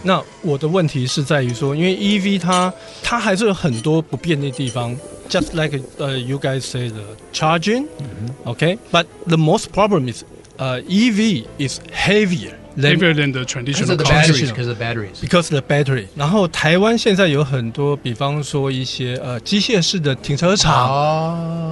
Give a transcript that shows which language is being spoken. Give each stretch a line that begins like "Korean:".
Chinese: 那我的问题是在于说，因为 EV 它还是有很多不便的地方。
English: Just like you guys say the charging, okay? But the most problem is,EV is heavier than the traditional car. Because of the batteries. Because of the battery.
Chinese: 然后台湾现在有很多，比方说一些机械式的停车场。